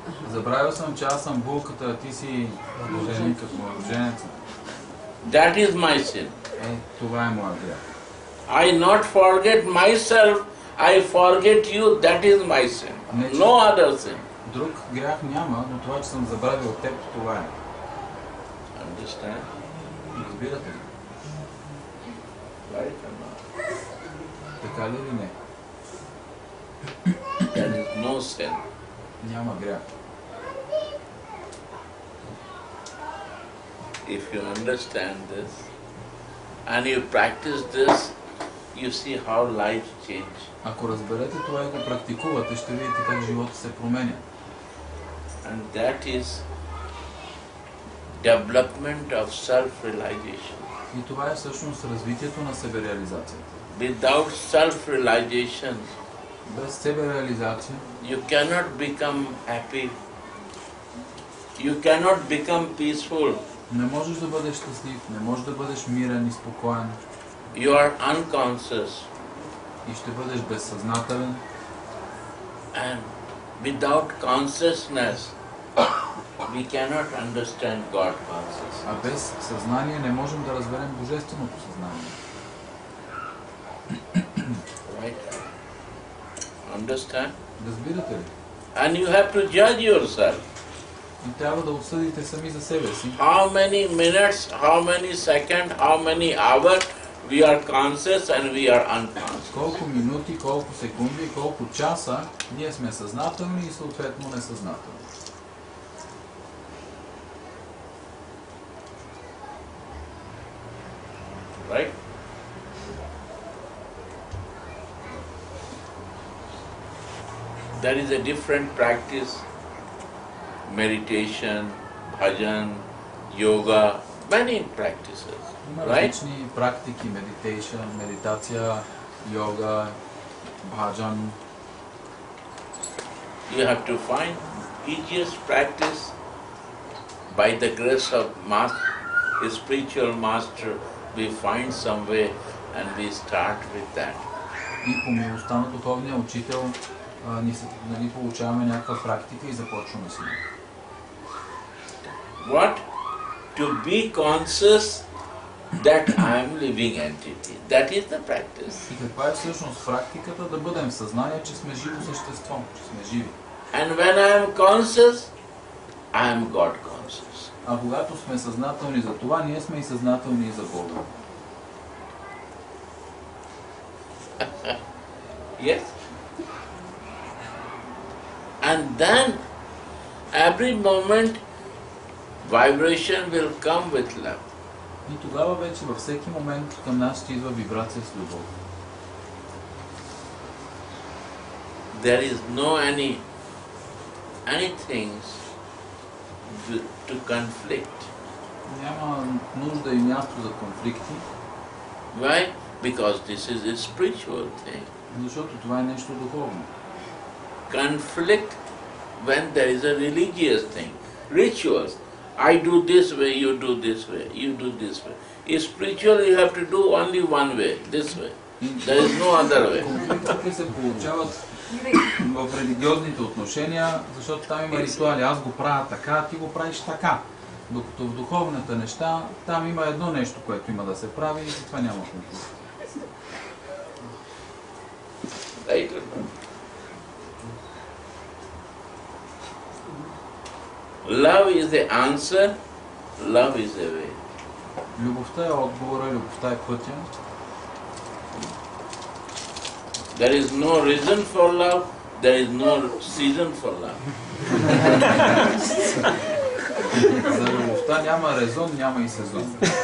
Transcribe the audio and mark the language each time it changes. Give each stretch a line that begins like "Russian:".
Bulgarian: Забравил съм, че аз съм булката, а ти си женика, младоженеца.
English: That is my sin.
Bulgarian: Това е моя грях.
English: I not forget myself, I forget you, that is my sin. No other sin.
Bulgarian: Друг грях няма, но това, че съм забравил теб, това е.
English: Understand?
Bulgarian: Разбирате ли? Така ли или не?
English: There is no sin.
Bulgarian: Няма грях.
English: If you understand this and you practice this, you see how life changes.
Bulgarian: Ако разберете това и го практикувате, ще видите как живота се променя.
English: And that is development of self-realization.
Bulgarian: И това е всъщност развитието на себереализацията.
English: Without self-realization,
Bulgarian: без себереализация,
English: you cannot become happy. You cannot become peaceful.
Bulgarian: Не можеш да бъдеш щастлив, не можеш да бъдеш мирен и спокоен.
English: You are unconscious.
Bulgarian: И ще бъдеш безсъзнателен.
English: And without consciousness, we cannot understand God consciousness.
Bulgarian: А без съзнание не можем да разберем Божественото съзнание.
English: Right? Understand?
Bulgarian: Разбирате ли?
English: And you have to judge yourself.
Bulgarian: И трябва да обсъдите сами за себе си.
English: How many minutes, how many seconds, how many hours we are conscious and we are unconscious.
Bulgarian: Колко минути, колко секунди, колко часа ние сме съзнателни и съответно несъзнателни.
English: Right? There is a different practice. Meditation, bhajan, yoga, many practices.
Bulgarian: Различни практики, медитация, йога, bhajan.
English: You have to find easiest practice by the grace of master, spiritual master, we find some way and we start with that.
Bulgarian: И по милостта на духовния учител ние получаваме някаква практика и започваме с нея.
English: What? To be conscious that I am living entity. That is the practice.
Bulgarian: И каква е всъщност практиката? Да бъдем в съзнание, че сме живо същество, че сме живи.
English: And when I am conscious, I am God conscious.
Bulgarian: А когато сме съзнателни за това, ние сме и съзнателни за Бога.
English: Yes? And then, every moment, vibration will come with love.
Bulgarian: И тогава вече във всеки момент към нас ще идва вибрация с любов.
English: There is no any things to conflict.
Bulgarian: Няма нужда и място за конфликти.
English: Why? Because this is a spiritual thing.
Bulgarian: Защото това е нещо духовно.
English: Conflict when there is a religious thing, rituals. I do this way, you do this way, you do this way. If spiritual, you have to do only one way, this way. There is no other way.
Bulgarian: Конфликтите се получават в религиозните отношения, защото там има ритуали. Аз го правя така, ти го правиш така. Докато в духовната неща, там има едно нещо, което има да се прави и затова няма конфликт.
English: Love is the answer, love is the way.
Bulgarian: Любовта е отговора, любовта е пътя.
English: There is no reason for love, there is no season for love.
Bulgarian: За любовта няма резон, няма и сезон.